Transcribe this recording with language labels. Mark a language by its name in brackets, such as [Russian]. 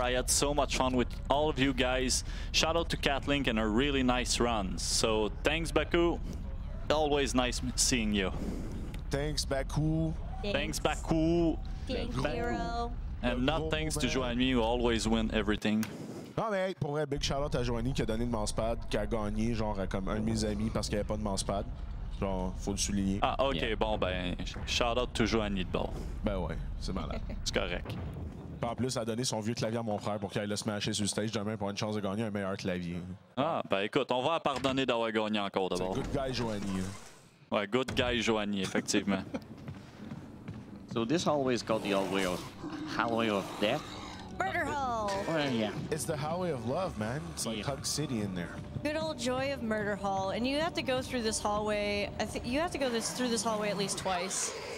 [English] I had so much fun with all of you guys. Shout out to Catlink and a really nice run. So thanks, Baku. Always nice seeing you. Thanks, Baku. Thanks, Baku. Thank you, Baku. And not thanks to Joanie, who always win everything. [French] Non, mais hey, pour vrai, [English] big shout out [French] à Joanie qui a donné le mousepad, qui a gagné genre comme un de mes amis parce qu'il n'y avait pas de mousepad. Genre, faut le souligner. [English] Ah, ok, yeah. [French] Bon, ben, [English] shout out to Joanie [French] de bord. Ben ouais, c'est malade. C'est correct. En plus, elle a donné son vieux clavier à mon frère pour qu'il aille le smasher sur le stage demain pour une chance de gagner un meilleur clavier. Ah, ben écoute, on va pardonner d'avoir gagné encore d'abord. [English] Good guy Joanie. [French] Ouais, [English] good guy Joanie, [French] effectivement. [English] So this always called the hallway of death. Murder Hall. Well, yeah. It's the hallway of love, man. It's like Hug City in there. Good old joy of Murder Hall, and you have to go through this hallway. You have to go through this hallway at least twice.